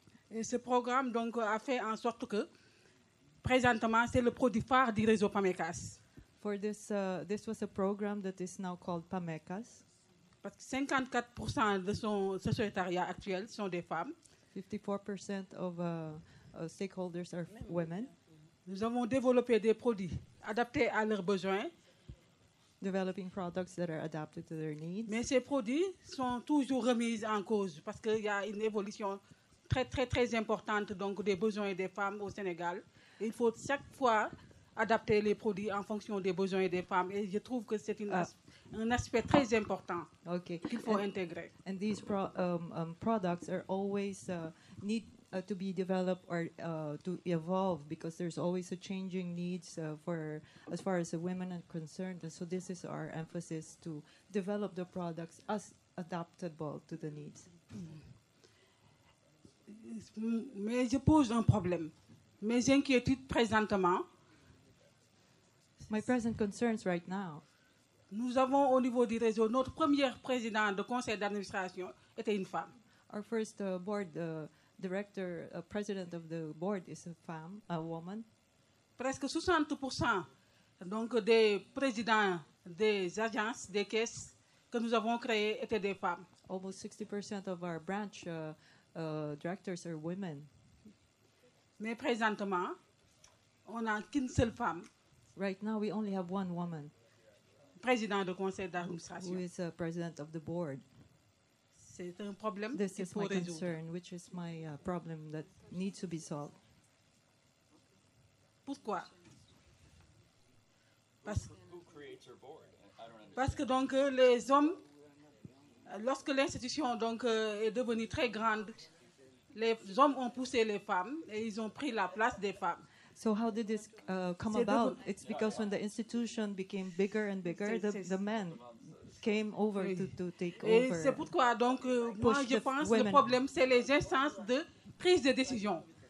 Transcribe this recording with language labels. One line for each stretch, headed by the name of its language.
French: Et ce programme donc a fait en sorte que présentement c'est le produit phare du réseau Pamekas.
English: For this this was a program that is now called Pamekas.
French: Parce que 54% de son secrétariat actuel sont des femmes.
English: 54% of stakeholders are women.
French: Nous avons développé des produits adaptés à leurs besoins.
English: Developing products that are adapted to their needs.
French: Mais ces produits sont toujours remis en cause parce qu'il y a une évolution très très très importante donc des besoins des femmes au Sénégal. Il faut chaque fois adapter les produits en fonction des besoins des femmes et je trouve que c'est un aspect très important qu'il faut intégrer.
English: And these products are always need to be developed or to evolve because there's always a changing needs for as far as the women are concerned. And so this is our emphasis to develop the products as adaptable to the needs.
French: Mais je pose un problème. Mes inquiétudes présentement.
English: My present concerns right now.
French: Nous avons au niveau du réseau notre première présidente de conseil d'administration était une femme.
English: Our first board director, president of the board is a femme, a woman.
French: Presque 60% donc des présidents des agences, des caisses que nous avons créées étaient des femmes.
English: Almost 60% of our branch directors are women.
French: Mais présentement, on n'a qu'une seule femme.
English: Right now, we only have one woman.
French: Président de conseil d'administration.
English: Who is a president of the board.
French: C'est un problème
English: this is my
French: résoudre.
English: Concern, which is my problem that needs to be solved.
French: Pourquoi?
English: Who creates our board? I don't understand.
French: Parce que donc les hommes, lorsque l'institution donc est devenue très grande, les hommes ont poussé les femmes et ils ont pris la place des femmes.
English: So how did this come about? It's because when the institution became bigger and bigger, the men came over to take
French: et
English: over.
French: Et c'est pourquoi donc moi je pense
English: women.
French: Le problème c'est les instances de prise de décision.